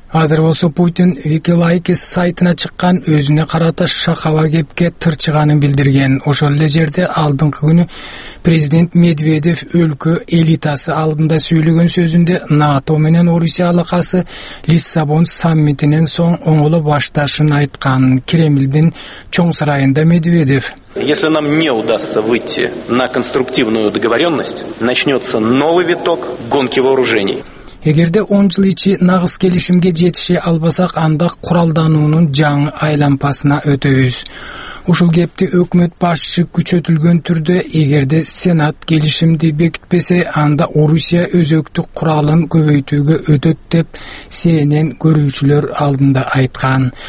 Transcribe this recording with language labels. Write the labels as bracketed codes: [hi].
[ky] Азыр болсо Путин WikiLeaks сайтына чыккан өзүнө карата шакаба кепке тырчыганын билдирген. Ошол эле жерде алдыңкы күнү президент Медведев өлкө элитасы алдында сүйлөгөн сөзүндө НАТО менен Орусия алакасы Лиссабон саммитинен соң оңоло башташын айткан. Кремлдин чоң сарайында Медведев: [ru] Если нам не удастся выйти на конструктивную договоренность, начнется новый виток гонки вооружений. [ky] Эгерде 10 жыл ичи нагыз келишимге жетише албасак, анда куралдануунун жаңы айлампасына өтөбүз. Ушул кепти өкмөт башчы күчөтүлгөн түрдө, эгерде Сенат келишимди бекитпесе, анда Орусия өзөктүк куралын көбөйтүүгө өтөт деп CNN көрүүчүлөр алдында айткан.